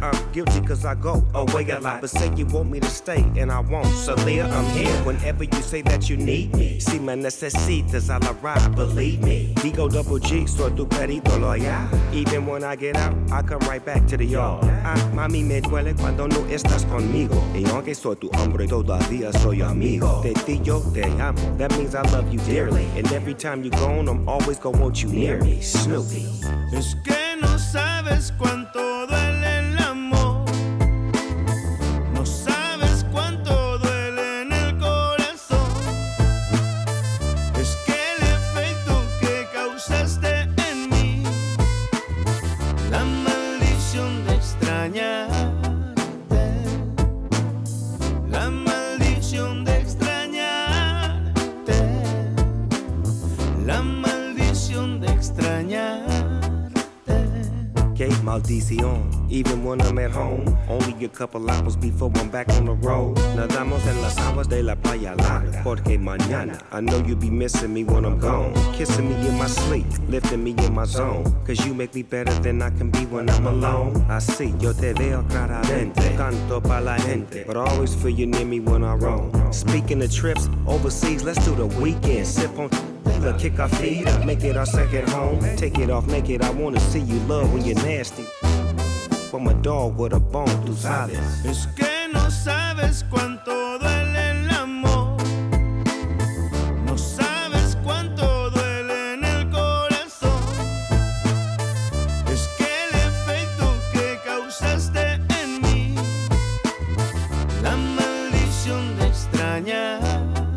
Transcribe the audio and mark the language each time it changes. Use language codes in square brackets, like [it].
[en] I'm guilty cause I go away a lot. But say you want me to stay, and I won't. So Leah, I'm here whenever you say that you need me. [es] Si me necesitas, [en] I'll arrive, believe me. [es] Digo double G, soy tu perito loyal. [en] Even when I get out, I come right back to the yard. [es] Mami, me duele cuando no estás conmigo. Y aunque soy tu hombre, todavía soy amigo. De ti yo te amo, [en] that means I love you dearly. And every time you gone, I'm always gonna want you near me. Snoopy. [es] Es que no sabes cuánto duele el amor, no sabes cuánto duele en el corazón. Es que el efecto que causaste en mí, la maldición de extrañarte, la maldición de extrañarte, la maldición de extrañarte. Maldición, [en] even when I'm at home. Only a couple hours before I'm back on the road. [es] Nadamos en las aguas de la playa larga. Porque mañana, [en] I know you'll be missing me when I'm gone. Kissing me in my sleep, lifting me in my zone. Cause you make me better than I can be when I'm alone. [es] Así, yo te veo claramente. Canto pa' la gente. [en] But I always feel you near me when I roam. Speaking of trips, overseas, let's do the weekend. Sip on... Kick our feet up, make it our second home. Take it off, make it, I wanna see you love when you're nasty. From a dog with a bone, [es] tú sabes. Es que no sabes cuánto duele el amor. No sabes cuánto duele en el corazón. Es que el efecto que causaste en mí, la maldición de extrañar.